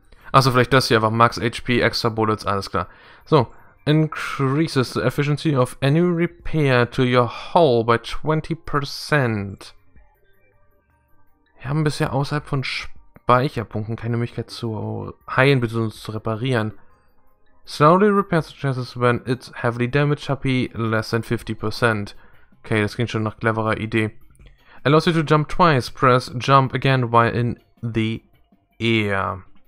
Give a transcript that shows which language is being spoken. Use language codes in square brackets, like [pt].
[de] Achso, vielleicht das hier einfach Max HP, extra Bullets, alles klar. So. [en] Increases the efficiency of any repair to your hull by 20%. [de] Wir haben bisher außerhalb von Speicherpunkten keine Möglichkeit zu heilen bzw. zu reparieren. [en] Slowly repairs the chances when it's heavily damaged, HP less than 50%. [de] Okay, das klingt schon nach cleverer Idee. [en] Allows you to jump twice, press jump again while in the air.